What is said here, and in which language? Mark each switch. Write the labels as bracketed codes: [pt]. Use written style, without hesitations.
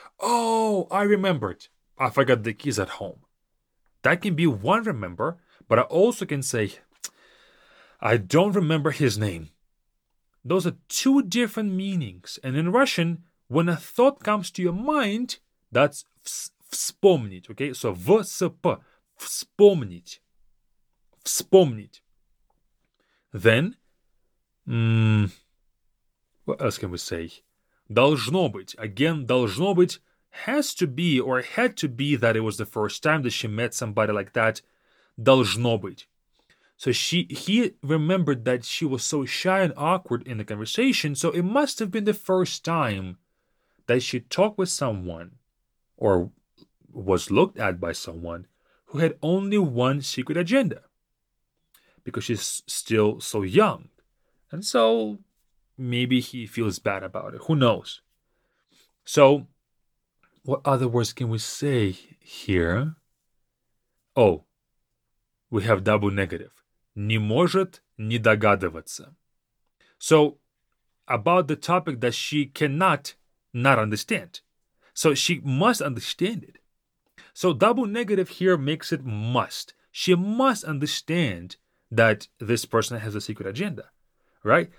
[en] Oh, I remembered. I forgot the keys at home. That can be one remember, but I also can say, I don't remember his name. Those are two different meanings. And in Russian, when a thought comes to your mind, that's вспомнить, okay? So, ВСП, вспомнить, вспомнить. Then, what else can we say? [ru] Должно быть, again, должно быть. [en] Has to be or had to be that it was the first time that she met somebody like that. [ru] Должно быть. [en] So he remembered that she was so shy and awkward in the conversation. So it must have been the first time that she talked with someone or was looked at by someone who had only one secret agenda. Because she's still so young. And so maybe he feels bad about it. Who knows? So what other words can we say here? Oh, we have double negative. [ru] Не может не догадываться. [en] So, about the topic that she cannot not understand. So, she must understand it. So, double negative here makes it must. She must understand that this person has a secret agenda. right?